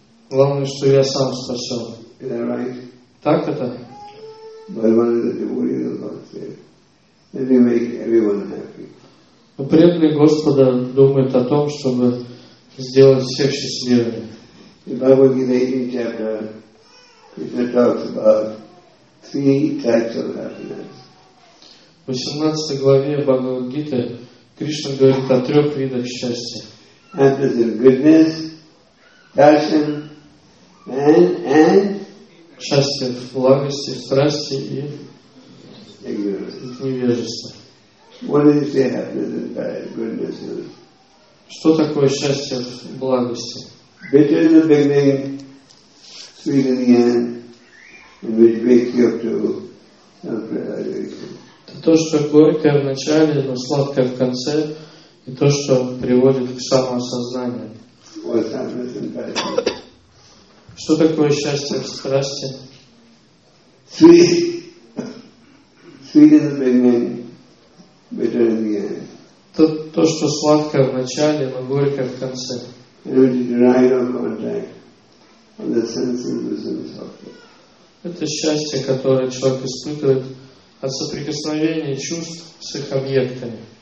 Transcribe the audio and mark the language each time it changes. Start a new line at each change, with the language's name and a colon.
Russian: Главное, что я сам спасен.
English: Is that right?
Russian: Так это?
English: But one of the devotees of God said, "Let me make everyone happy."
Russian: Но преданный Господа думает о том, чтобы сделать всех счастливыми.
English: In Bhagavad Gita 18th chapter, Krishna talks about three types of happiness.
Russian: В 18 главе Бхагавад Гита Кришна говорит о трех видах счастья.
English: Happiness in goodness, passion, and
Russian: счастье в благости, в страсти и невежество.
English: What do you say happiness in goodness?
Russian: Что такое счастье в благости?
English: Bitter in the beginning, sweet in the end, and which wakes you up to self-realization.
Russian: То, что горькое в начале, но сладкое в конце, и то, что приводит к самоосознанию.
English: What's happiness in passion?
Russian: Что такое счастье в страсти?
English: Sweet in the beginning, bitter in the end.
Russian: То, что сладкое в начале, но горькое в конце. Это счастье, которое человек испытывает от соприкосновения чувств с их объектами.